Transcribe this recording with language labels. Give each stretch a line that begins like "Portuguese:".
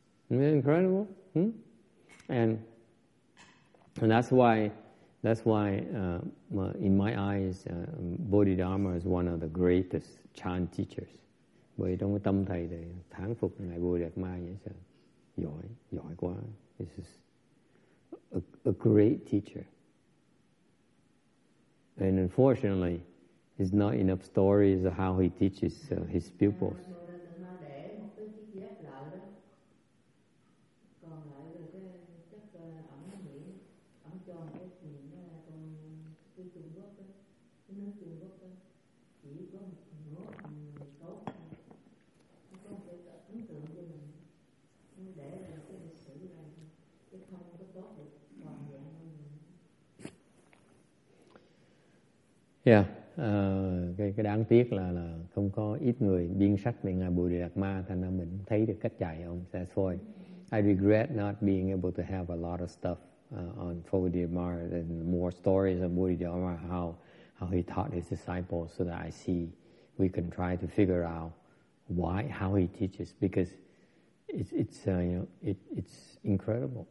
English: Incredible, and that's why in my eyes, Bodhidharma is one of the greatest Chan teachers.
Vietnamese: Bởi trong tâm thầy thì thán phục ngài Bồ Đề Ma như thế, giỏi quá.
English: This is a great teacher, and unfortunately, there's not enough stories of how he teaches his pupils.
Vietnamese: Yeah, cái đáng tiếc là không có ít người biên sách về ngài Bồ Đề Đạt Ma, thành ra mình thấy được cách dạy ông.
English: That's why I regret not being able to have a lot of stuff on Bodhidharma and more stories of Bodhidharma, how he taught his disciples, so that I see we can try to figure out why, how he teaches, because it's incredible.